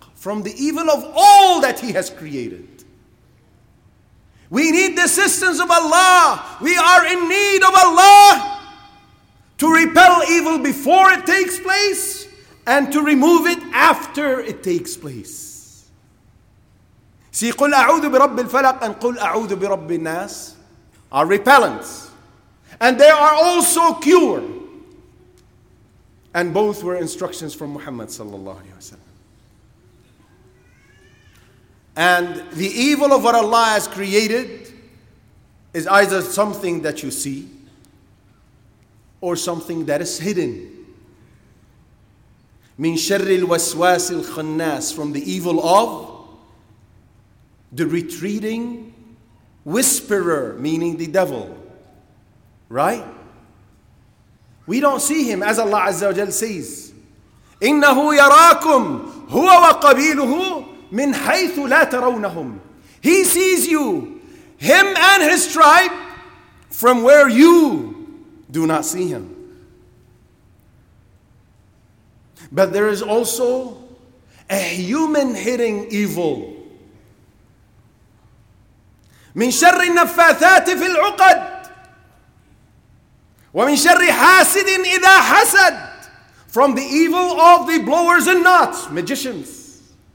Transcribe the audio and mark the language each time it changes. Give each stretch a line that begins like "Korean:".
English: From the evil of all that he has created. We need the assistance of Allah. We are in need of Allah to repel evil before it takes place, and to remove it after it takes place. See,
Arabic: قل أعوذ برب الفلق
English: and
Arabic: قل أعوذ برب الناس
English: are repellents. And they are also cure. And both were instructions from Muhammad sallallahu alayhi wa sallam. And the evil of what Allah has created is either something that you see or something that is hidden.
Arabic: من شر الوسواس الخناس,
English: from the evil of the retreating whisperer, meaning the devil. Right? We don't see him, as Allah Azza wa Jal says.
Arabic: إِنَّهُ يَرَاكُمْ هُوَ وَقَبِيلُهُ مِنْ حَيْثُ لَا تَرَوْنَهُمْ.
English: He sees you, him and his tribe, from where you do not see him. But there is also a human hidden evil.
Arabic: مِنْ شَرِّ النَّفَّاثَاتِ فِي الْعُقَدِ وَمِنْ شَرِّ حَاسِدٍ إِذَا حَسَدْ,
English: from the evil of the blowers in knots, magicians.